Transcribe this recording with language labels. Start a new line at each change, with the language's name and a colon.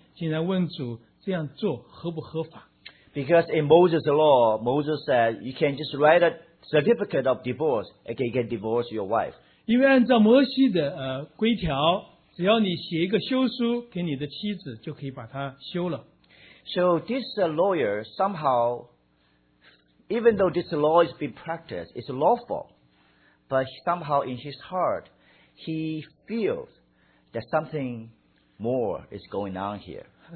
Chinese: 很有趣的是，法利赛人、犹太人，他们行这个律法已经很久很久了。这个时候，他来到主的面前，竟然问主这样做合不合法？
English: Because in Moses' law, Moses said, you can just write a certificate of divorce, you can divorce your wife.
Chinese: 因为按照摩西的规条，只要你写一个休书给你的妻子，就可以把它休了。
English: So this lawyer somehow, even though this law is being practiced, it's lawful, but somehow in his heart, he feels that something more is going on here.